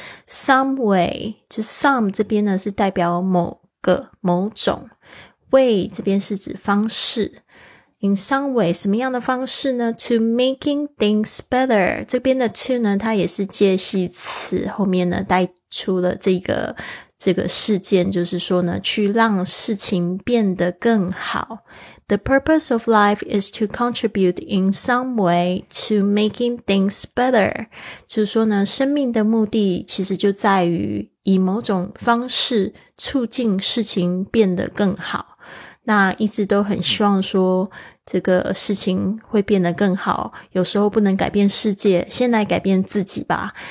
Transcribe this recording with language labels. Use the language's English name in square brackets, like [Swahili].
[Chinese] some way 就是 some 这边呢是代表某个某种， way 这边是指方式。 in some way 什么样的方式呢？ [English] to making things better， [Chinese] 这边的 to 呢它也是介系词，后面呢带出了这个事件，就是说呢去让事情变得更好。 [English] The purpose of life is to contribute in some way to making things better. [Chinese] 就是说呢，生命的目的其实就在于以某种方式促进事情变得更好。那一直都很希望说这个事情会变得更好，有时候不能改变世界，先来改变自己吧。